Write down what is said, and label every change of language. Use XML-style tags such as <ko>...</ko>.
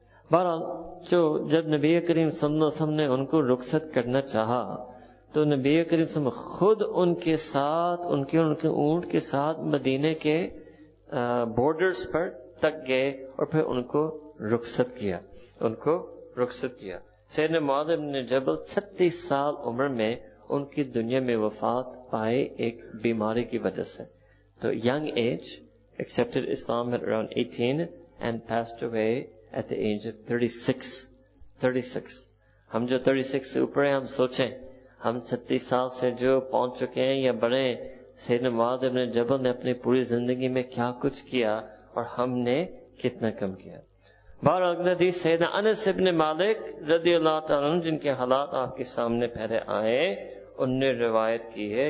<ur>بہرحال جو جب نبی کریم صلی اللہ علیہ وسلم نے ان کو رخصت کرنا چاہا، تو نبی کریم صلی اللہ علیہ وسلم خود ان کے ساتھ، ان کے اونٹ کے ساتھ مدینے کے بارڈرز پر تک گئے، اور پھر ان کو رخصت کیا. سیدنا معاذ ابن جبل 36 سال عمر میں ان کی دنیا میں وفات پائے ایک بیماری کی وجہ سے.</ur> <en>تو young age, accepted Islam at around 18 and passed away at the age of 36.</en> <ur>ہم جو 36 سے اوپر ہیں ہم سوچیں, ہم 36 سال سے جو پہنچ چکے ہیں یا بڑے, سیدنا معاذ ابن جبل نے اپنی پوری زندگی میں کیا کچھ کیا اور ہم نے کتنا کم کیا. بہرحال حدیث سیدنا انس ابن مالک رضی اللہ تعالیٰ عنہ, جن کے حالات آپ کے سامنے پہلے آئے, ان نے روایت کی ہے.</ur>